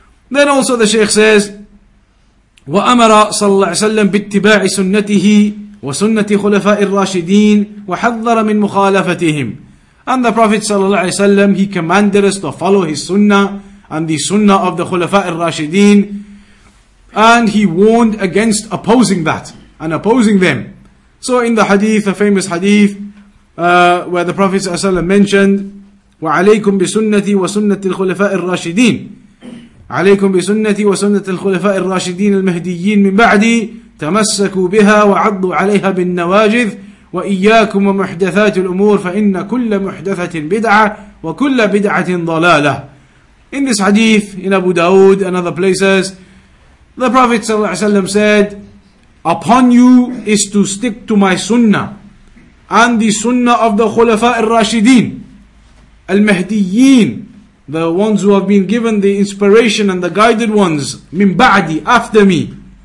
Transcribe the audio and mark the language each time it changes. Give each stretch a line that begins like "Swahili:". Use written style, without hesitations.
English: Then also the Shaykh says,
Arabic: وَأَمَرَ صَلَّى اللَّهِ وَسَلَّمْ بِاتِّبَاعِ سُنَّتِهِ وَسُنَّةِ خُلَفَاءِ الرَّاشِدِينَ وَحَذَّرَ مِنْ مُخَالَفَتِهِمْ.
English: And the Prophet ﷺ, he commanded us to follow his sunnah and the sunnah of the Khulafa'ir Rashideen, and he warned against opposing that and opposing them. So in the hadith, the famous hadith, where the Prophet ﷺ mentioned,
Arabic: وَعَلَيْكُمْ بِسُنَّةِ وَسُنَّةِ الْخُلَفَاءِ الرَّاشِدِينَ عليكم بسنتي وسنة الخلفاء الراشدين المهديين من بعدي تمسكوا بها وعضوا عليها بالنواجذ وإياكم ومحدثات الأمور فإن كل محدثة بدعة وكل بدعة ضلالة.
English: In this hadith, in Abu Dawood and other places, the Prophet
Arabic: صلى الله عليه وسلم
English: said, upon you is to stick to my sunnah and the sunnah of the
Arabic: خلفاء الراشدين المهديين,
English: the ones who have been given the inspiration and the guided ones,
Arabic: min ba'di,
English: after me.